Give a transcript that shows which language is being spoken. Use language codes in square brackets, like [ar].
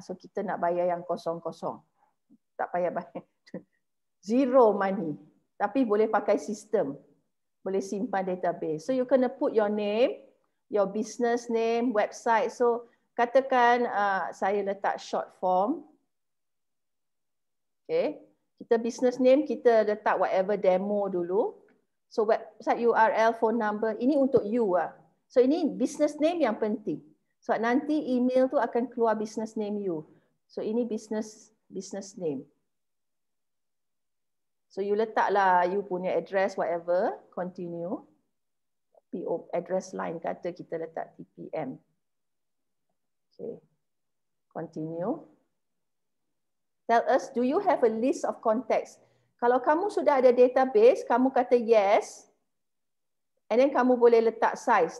[ms] So kita nak bayar yang kosong-kosong. Tak payah bayar. Zero money. Tapi boleh pakai sistem. Boleh simpan database. [en] So you [ms] kena [en] put your name, your business name, website. [ms] So katakan saya letak short form. Okay. Kita business name, kita letak whatever demo dulu. So [en] website URL, phone number, [ms] ini untuk you lah. So ini business name yang penting. So nanti email tu akan keluar business name you. So ini business name. So you letaklah you punya address whatever, continue. PO address line kata kita letak TPM. Okay. Continue. [en] Tell us, do you have a list of contacts? [ms] Kalau kamu sudah ada database, kamu kata yes. [en] And then [ms] kamu boleh letak size.